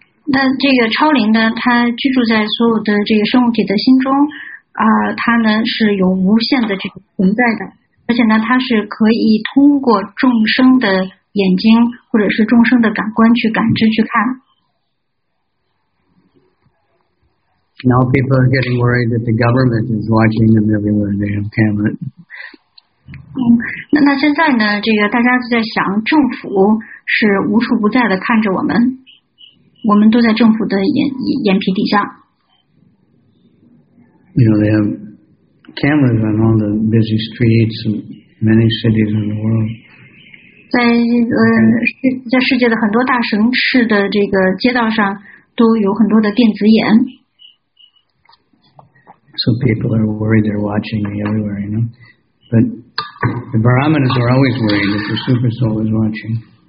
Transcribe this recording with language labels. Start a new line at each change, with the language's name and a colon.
Chinese: 那这个超灵呢，它居住在所有的这个生物体的心中，它呢是有无限的这个存在的，而且呢，它是可以通过众生的眼睛或者是众生的感官去感知去看。
English: Now people are getting worried that the government is watching them everywhere they have cameras.
Chinese: 那现在呢，这个大家就在想，政府是无处不在的看着我们。我们都在政府的眼皮底下。
English: They have cameras on all the busy streets in many cities in the world.
Chinese: 在世界的很多大城市的这个街道上都有很多的电子眼。
English: So people are worried they're watching me everywhere, you know. But the Brahmanas are always worried that the super soul is watching.